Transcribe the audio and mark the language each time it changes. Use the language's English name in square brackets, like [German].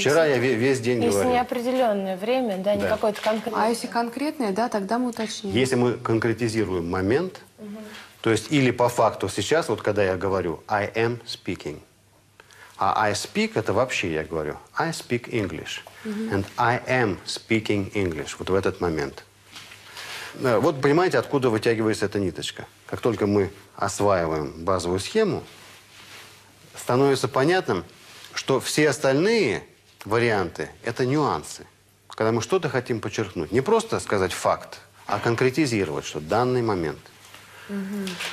[Russian] Вчера я весь день если говорил. Если неопределенное время, да, не какое-то конкретное. А если конкретное, да, тогда мы уточним. Если мы конкретизируем момент, то есть или по факту сейчас, вот когда я говорю [English] I am speaking. [Russian] А I speak – это вообще я говорю. [English] I speak English. And I am speaking English. [Russian] Вот в этот момент. Вот понимаете, откуда вытягивается эта ниточка? Как только мы осваиваем базовую схему, становится понятным, что все остальные варианты – это нюансы. Когда мы что-то хотим подчеркнуть. Не просто сказать факт, а конкретизировать, что данный момент. Угу.